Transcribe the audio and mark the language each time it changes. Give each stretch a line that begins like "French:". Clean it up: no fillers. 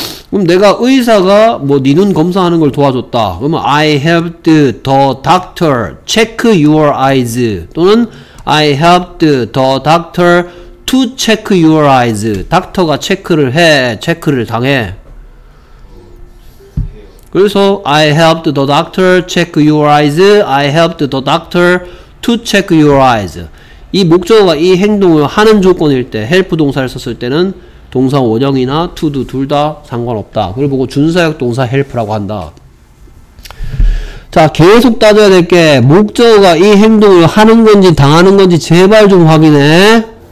Korean: 그럼 내가 의사가 뭐 네 눈 검사하는 걸 도와줬다 그러면
English: I helped the doctor check your eyes 또는 I helped the doctor to check your eyes.
Korean: 닥터가 체크를 해 체크를 당해.
English: 그래서 I helped the doctor check your eyes. I helped the doctor to check your eyes.
Korean: 이 목적어가 이 행동을 하는 조건일 때 help 동사를 썼을 때는 동사 원형이나 to do 둘 다 상관없다. 그걸 보고 준사역 동사 help라고 한다. 자, 계속 따져야 될 게 목적어가 이 행동을 하는 건지 당하는 건지 제발 좀 확인해.